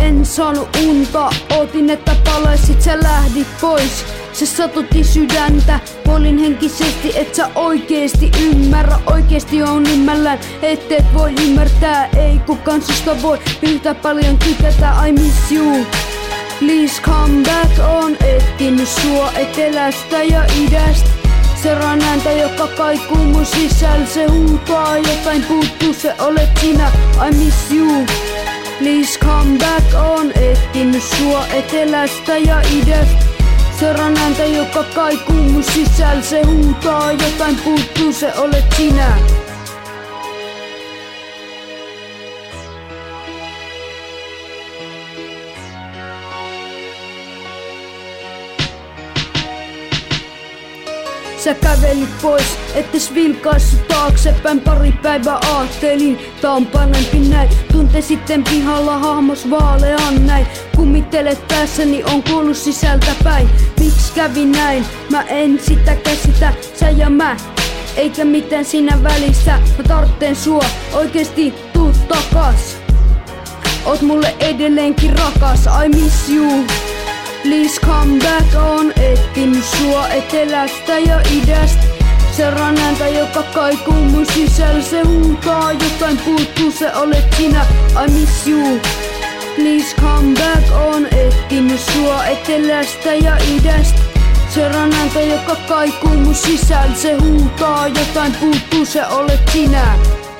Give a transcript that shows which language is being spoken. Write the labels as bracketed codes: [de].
[fi] En saanut unta, ootin, että palaisit, sä lähdit pois. Se satutti sydäntä, olin henkisesti, et sä oikeesti ymmärrä. Oikeesti on ymmällään, ettei voi ymmärtää. Ei kukaan susta voi yhtä paljon tykätä. [en] I miss you, please come back on. [fi] Etsinyt sua etelästä ja idästä. Seuraan ääntä, joka kaikuu mun sisällä. Se huutaa, jotain puuttuu, se olet sinä. [en] I miss you, please come back on. [fi] Etsinyt sua etelästä ja idästä. Seuraan ääntä, joka kaikuu mun sisällä. Se huutaa, jotain puuttuu, se olet sinä. Sä kävelit pois, ettes vilkaissu taaksepäin. Pari päivää aattelin, tää on parempi näin. Tunte sitten pihalla hahmos vaalean näin. Kumittelet päässäni, on kuollut sisältä päin. Miks kävi näin? Mä en sitä käsitä. Sä ja mä, eikä mitään siinä välissä. Mä tartten sua, oikeesti tuu takas. Oot mulle edelleenkin rakas. [en] I miss you, please come back on. [fi] Etsinyt sua etelästä ja idästä. Seuraan ääntä, joka kaikuu mun sisällä. Se huutaa, jotain puuttuu, se olet sinä. [en] I miss you, please come back on. [fi] Etsinyt sua etelästä ja idästä. Seuraan ääntä, joka kaikuu mun sisällä. Se huutaa, jotain puuttuu, se olet sinä.